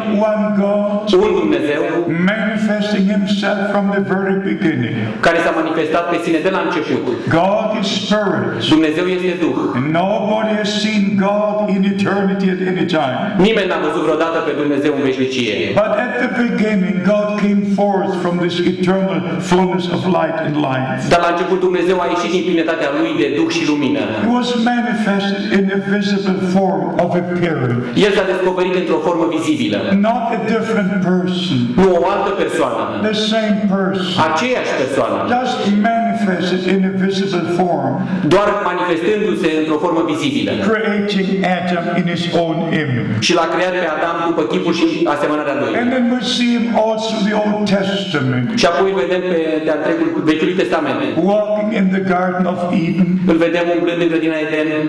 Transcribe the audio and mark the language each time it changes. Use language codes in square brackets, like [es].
[en] One God. [ro] Un Dumnezeu. [en] Manifesting Himself from the very beginning. [ro] Care s-a manifestat pe sine de la început. [en] God is Spirit. [ro] Dumnezeu este Duh. [en] Nobody has seen God in eternity at any time. [ro] Nimeni n-a văzut vreodată pe Dumnezeu în veșnicie. [en] But at the beginning God came forth from this eternal fullness of light and life. [ro] Dar la început Dumnezeu a ieșit din plinătatea lui de Duh și lumină. [en] He was manifested in a visible form of appearance. [ro] El s-a descoperit într-o formă vizibilă. [en] Not a different person. [ro] Nu o altă persoană. [en] The same person. [ro] Aceeași persoană. [en] Just manifested in a visible form. [ro] Doar manifestându-se într-o formă vizibilă. [en] Creating Adam in his own image. [ro] Și l-a creat pe Adam după chipul și asemănarea lui. [en] And then we see him also the Old Testament. [ro] Și apoi vedem pe de-a întregul Vechiul Testament. [en] Walking in the Garden of Eden. [ro] Îl vedem umblând în grădina Eden.